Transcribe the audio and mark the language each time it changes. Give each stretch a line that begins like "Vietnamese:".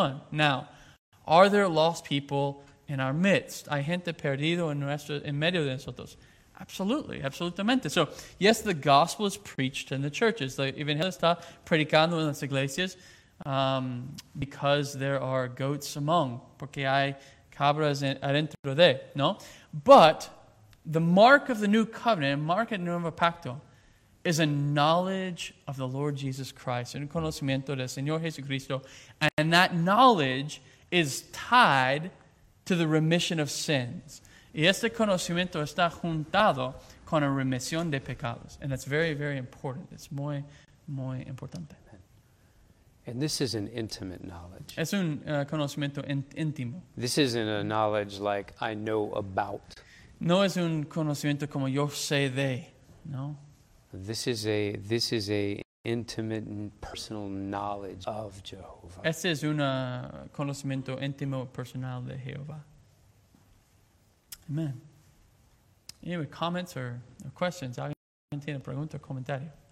English: Now, are there lost people in our midst?
Spanish: Hay gente perdido en medio de nosotros.
English: Absolutely,
Spanish: absolutamente.
English: So, yes, the gospel is preached in the churches.
Spanish: The evangelio está predicando en las iglesias
English: because there are goats among.
Spanish: Porque hay cabras adentro de, ¿no?
English: But the mark of the new covenant, mark of nuevo pacto, is a knowledge of the Lord Jesus Christ,
Spanish: un conocimiento del Señor Jesucristo,
English: and that knowledge is tied to the remission of sins.
Spanish: Y este conocimiento está juntado con la remisión de pecados,
English: and that's very, very important.
Spanish: It's muy, muy importante.
English: And this is an intimate knowledge.
Spanish: Es un conocimiento íntimo.
English: This isn't a knowledge like I know about.
Spanish: No es un conocimiento como yo sé de, no.
English: This is a intimate and personal knowledge of Jehovah.
Spanish: Este es un conocimiento íntimo personal de Jehová.
English: Amen. Any anyway, comments or questions?
Spanish: ¿Alguien tiene pregunta o comentario?